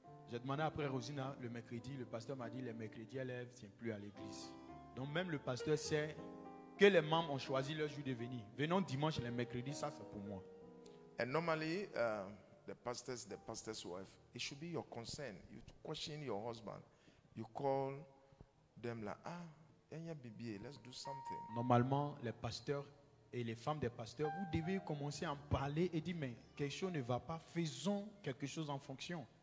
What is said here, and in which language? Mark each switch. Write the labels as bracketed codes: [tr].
[fr] J'ai demandé après Rosina, le mercredi, le pasteur m'a dit, le mercredi, elle ne vient plus à l'église. Donc même le pasteur sait que les membres ont choisi leur jour de venir. Venons dimanche, le mercredi, ça c'est pour moi. [en] And normally, the pastor's wife, it should be your concern. You question your husband. You call them like, yeah, baby, let's do something. [fr] Normalement, les pasteurs et les femmes des pasteurs, vous devez commencer à en parler et dire, mais quelque chose ne va pas, faisons quelque chose en fonction.